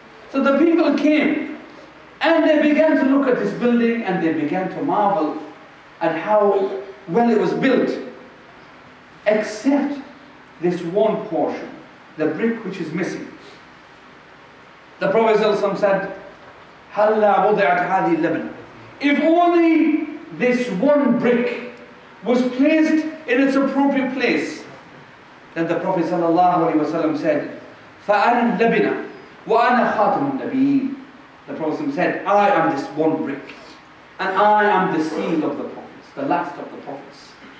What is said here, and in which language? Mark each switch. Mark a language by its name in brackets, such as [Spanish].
[English] So the people came, and they began to look at this building, and they began to marvel at how well it was built. Except this one portion, the brick which is missing. The Prophet ﷺ said, [Arabic] هَلَّا وُضِعَتْ هَذِي اللَّبْنَ. [English] If only this one brick was placed in its appropriate place, then the Prophet ﷺ said, [Arabic] فَأَنَا اللَّبْنَ وَأَنَا خَاتَمُ النَّبِيِّينَ. [English] The Prophet ﷺ said, I am this one brick, and I am the seal of the Prophets, the last of the Prophets.